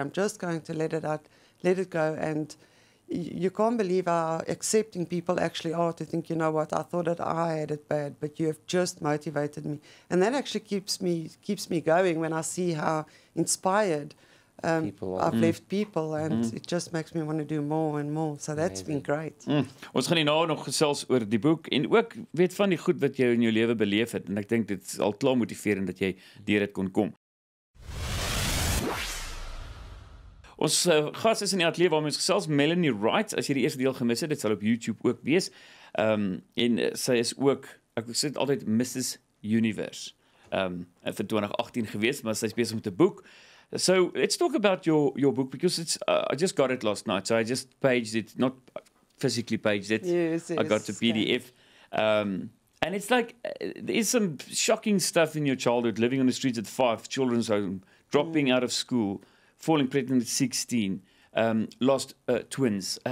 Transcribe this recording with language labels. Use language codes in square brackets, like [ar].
[en] I'm just going to let it out, let it go. And you can't believe how accepting people actually are to think, you know what, I thought that I had it bad, but you have just motivated me. And that actually keeps me going when I see how inspired I've left people, and it just makes me want to do more and more. So that's been great. Mm. [af] Ons gaan nie nou nog gesels oor die boek en ook weet van die goed wat jy in jou lewe beleef het. En ek denk dit is al klaar motiverend dat jy deur dit kon kom. Ons gas is in die atleet waarmee ons gesels, Melanie Wright, as jy die eerste deel gemis het, dit sal op YouTube ook wees, en sy is ook, ek sê dit altyd, Mrs. Universe, vir 2018 gewees, maar sy is besig met 'n boek. [en] So, let's talk about your book, because it's I just got it last night, so I just paged it, not physically paged it, yes, I got the PDF, and it's like, there's some shocking stuff in your childhood, living on the streets at 5, children's home, dropping out of school, falling pregnant at 16, lost twins.